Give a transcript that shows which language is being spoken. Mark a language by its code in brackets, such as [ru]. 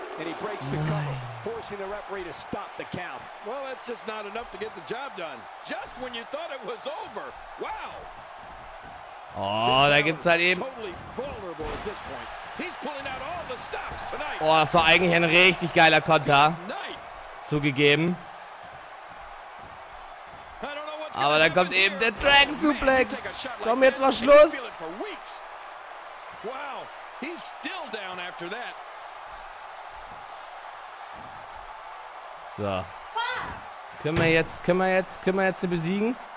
[en] And he breaks the cover, forcing the referee to stop the count. Well, that's just not enough to get the job done. Just when you thought it was over. Wow. [de] Oh, da gibt's halt eben. [en] Totally vulnerable at this point. He's pulling out all the stops tonight. [de] Oh, das war eigentlich ein richtig geiler Konter. Zugegeben. Aber dann kommt eben der Dragon Suplex. Komm, jetzt mal Schluss. [en] Wow, he's still down after that. [de] So. Können wir jetzt sie besiegen?